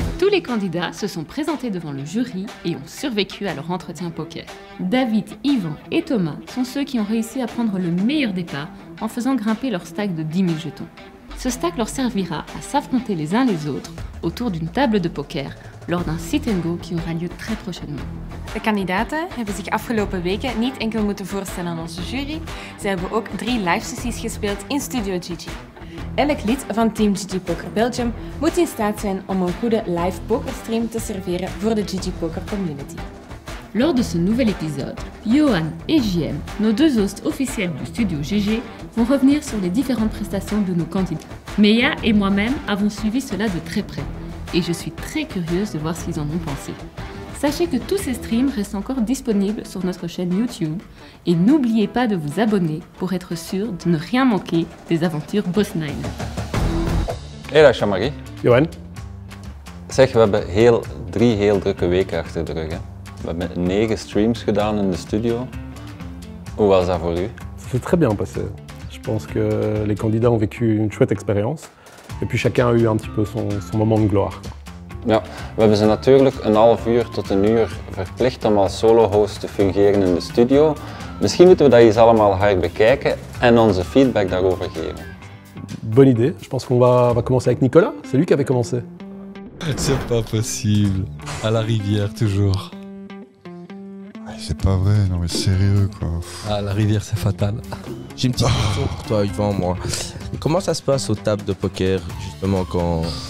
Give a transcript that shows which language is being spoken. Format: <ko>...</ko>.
<fr>les candidats se sont présentés devant le jury et ont survécu à leur entretien poker. David, Yvan et Thomas sont ceux qui ont réussi à prendre le meilleur départ en faisant grimper leur stack de 10 000 jetons. Ce stack leur servira à s'affronter les uns les autres autour d'une table de poker lors d'un sit and go qui aura lieu très prochainement.</fr> <nl>De kandidaten hebben zich afgelopen weken niet enkel moeten voorstellen aan onze jury, ze hebben ook 3 live sessies gespeeld in Studio Gigi. Elk lid van Team Gigi Poker Belgium moet in staat zijn om een goede live pokerstream te serveren voor de Gigi Poker community.</nl> <fr>Lors de ce nouvel épisode, Johan et JM, nos deux hosts officiels du Studio Gigi, vont revenir sur les différentes prestations de nos candidats. Meya et moi-même avons suivi cela de très près, et je suis très curieuse de voir ce qu'ils en ont pensé. Sachez que tous ces streams restent encore disponibles sur notre chaîne YouTube et n'oubliez pas de vous abonner pour être sûr de ne rien manquer des aventures Boss 9. Hey là, Chamarie. Johan.</fr> <nl>Zeg, we hebben drie heel drukke weken achter de rug. Hè. We hebben 9 streams gedaan in de studio. Hoe was dat voor u?</nl> <fr>Ça s'est très bien passé. Je pense que les candidats ont vécu une chouette expérience et puis chacun a eu un petit peu son moment de gloire.</fr> <nl>Ja, we hebben ze natuurlijk een half uur tot een uur verplicht om als solo-host te fungeren in de studio. Misschien moeten we dat eens allemaal hard bekijken en onze feedback daarover geven.</nl> <fr>Bonne idée. Je pense qu'on va commencer avec Nicolas. C'est lui qui avait commencé. C'est pas possible. À la rivière, toujours. C'est pas vrai, non mais sérieux quoi. Ah, la rivière, c'est fatal. J'ai une petite question pour toi, Yvan, moi. Comment ça se passe aux tables de poker, justement, quand...</fr>